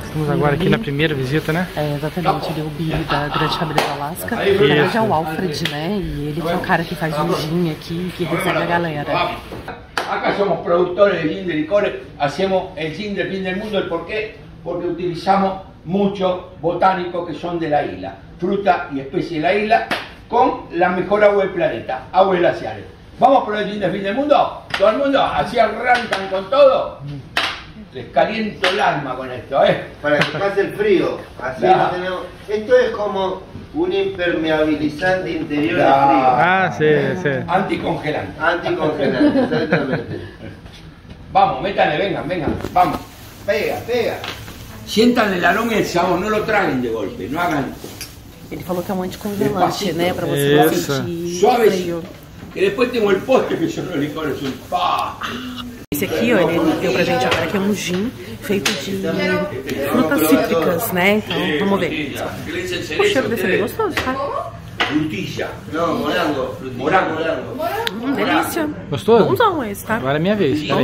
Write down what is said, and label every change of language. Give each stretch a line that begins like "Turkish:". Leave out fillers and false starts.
Portuguese: Agora aqui na primeira visita, né? É, exatamente. Ele é o Billy da Grande Família do Alasca. Na verdade é o Alfred, né? E ele é o cara que faz o gin aqui e que recebe a galera.
Spanish: Acá somos produtores de gin de licores. Hacemos el gin del fin del mundo. ¿Por qué? Porque utilizamos mucho botánico que son de la isla. Fruta y especie de la isla con la mejor agua del planeta. Aguas glaciares. ¿Vamos por el gin del fin del mundo? ¿Todo el mundo? ¿Así arrancan con todo? Les caliento el alma con esto, Para que pase el frío. Así no tenemos. Esto es como un impermeabilizante interior de frío. Ah, sí, sí. Anticongelante. Anticongelante, exactamente. Vamos, métale, vengan, vamos. Pega. Sientan el aroma y el sabor, no lo traguen de golpe, no hagan.
Portuguese: Ele falou que é um anticongelante, né? Para você sentir. Suave.
Spanish: Que después tengo el postre que yo no le cobro, es un pa.
Portuguese: Esse aqui, ó, ele deu pra gente agora, que é um gin feito de frutas cítricas, né? Então, vamos ver. O cheiro desse é gostoso, tá? Frutilla. Não, morango. Delícia. Gostoso? Bonzão esse, tá? Agora é minha vez, peraí.